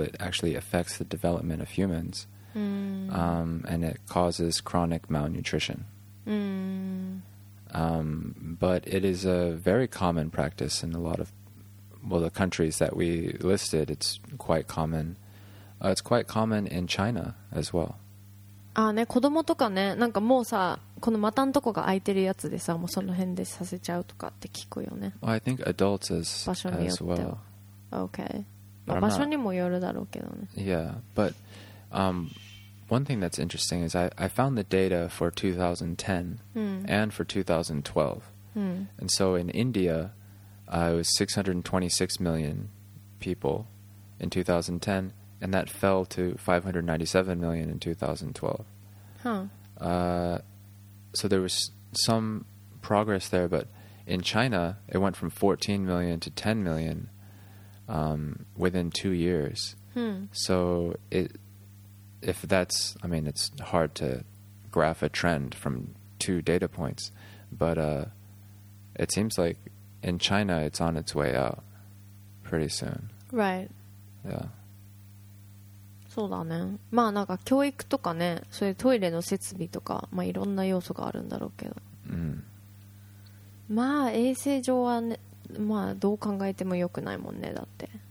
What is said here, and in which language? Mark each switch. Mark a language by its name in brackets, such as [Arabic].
[English] It actually affects the development of humans. And it causes chronic malnutrition. But it is a very common practice in a lot of, well, the countries that we listed, it's quite common. It's quite common in China as well. [Japanese] ああね、子供とかね、なんかもうさ、この股のとこが空いてるやつでさ、もうその辺でさせちゃうとかって聞くよね。 [English] I think adults as well. [Japanese] 場所によっては。 [English] Okay. But [Japanese] 場所にもよるだろうけどね。 [English] Yeah, but one thing that's interesting is I found the data for 2010 and for 2012. And so in India, it was 626 million people in 2010, and that fell to 597 million in 2012. So there was some progress there, but in China, it went from 14 million to 10 million within 2 years. So if that's, I mean, it's hard to graph a trend from two data points, but it seems like in China, it's on its way out pretty soon. Right. Yeah. [Japanese] そうだね。まあなんか教育とかね、それトイレの設備とか、まあいろんな要素があるんだろうけど。まあ衛生上はね、まあどう考えても良くないもんね、だって。